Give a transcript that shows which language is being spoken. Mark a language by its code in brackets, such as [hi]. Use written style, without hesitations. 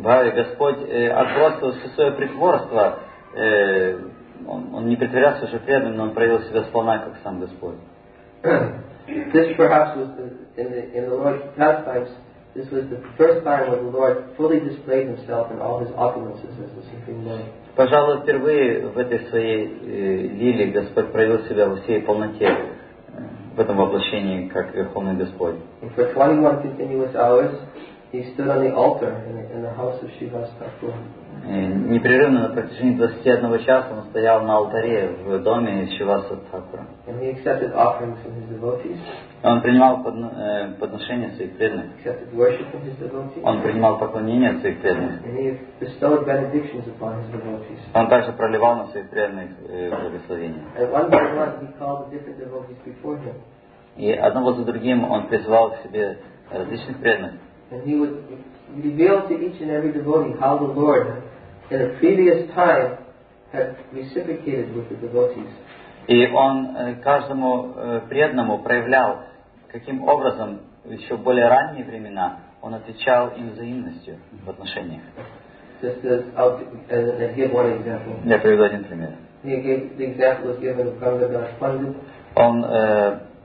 [ru] Бхави, Господь отбросил все свое притворство. Он не притворялся уже преданным, но он проявил себя сполна как сам Господь. [en] This perhaps was in the Lord's pastimes. This was the first time when the Lord fully displayed himself in all his opulences as the Supreme Lord. [ru] Пожалуй, впервые в этой своей лиле Господь проявил себя во всей полноте в этом воплощении как Верховный Господь. [en] And for 21 continuous hours, he stood on the altar in the house of Shiva's temple. [ru] Непрерывно на протяжении 21 часа он стоял на алтаре в доме Шиваса Тхакура. [en] And he accepted offerings from his devotees. [ru] Он принимал подношения своих преданных. [en] Accepted worship from his devotees. [ru] Он принимал поклонение от своих преданных. [en] And he bestowed benedictions upon his devotees. [ru] Он также проливал на своих преданных благословения. [en] And one by one he called the different devotees before him. [ru] И одного за другим он призывал к себе различных преданных. [en] And he would reveal to each and every devotee how the Lord, in a previous time, had reciprocated with the devotees. [ru] И он каждому преданному проявлял, каким образом еще более ранние времена он отвечал им взаимностью в отношениях. [en] Just as I'll give one example. [ru] Я приведу один пример. [en] The example was given of Gangadas Pandit.